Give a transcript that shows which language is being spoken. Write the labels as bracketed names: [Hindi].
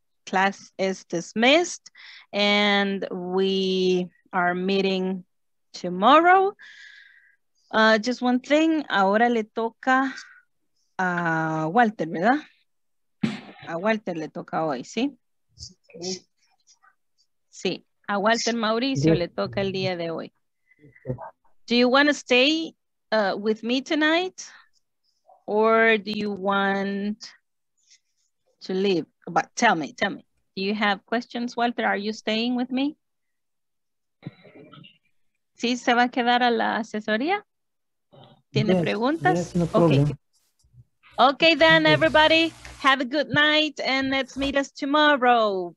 [English] Class is dismissed. And we are meeting tomorrow. Just one thing. [Spanish] Ahora le toca a Walter, ¿verdad? A Walter le toca hoy, ¿sí? Sí. A Walter Mauricio le toca el día de hoy. [English] Do you want to stay with me tonight, or do you want to leave? But tell me, do you have questions, Walter? Are you staying with me? [Spanish] ¿Sí se va a quedar a la asesoría? ¿Tiene preguntas? [English] Yes, no problem. Okay then, everybody, have a good night, and let's meet us tomorrow.